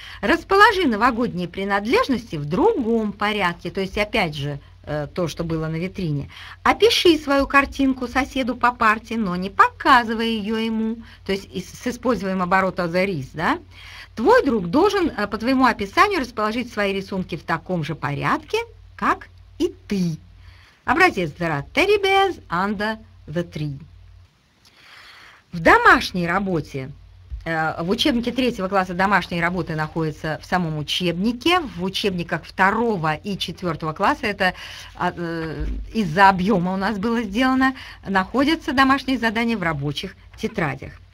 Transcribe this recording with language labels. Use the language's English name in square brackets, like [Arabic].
[Russian] Расположи новогодние принадлежности в другом порядке, то есть опять же, то, что было на витрине. Опиши свою картинку соседу по парте, но не показывай ее ему, то есть с использованием оборота за рис, да? Твой друг должен по твоему описанию расположить свои рисунки в таком же порядке, как и ты. [English] Образец: there are teddy bears under the tree. [Russian] В домашней работе, в учебнике третьего класса домашние работы находятся в самом учебнике, в учебниках второго и четвертого класса, это из-за объема у нас было сделано, находятся домашние задания в рабочих тетрадях.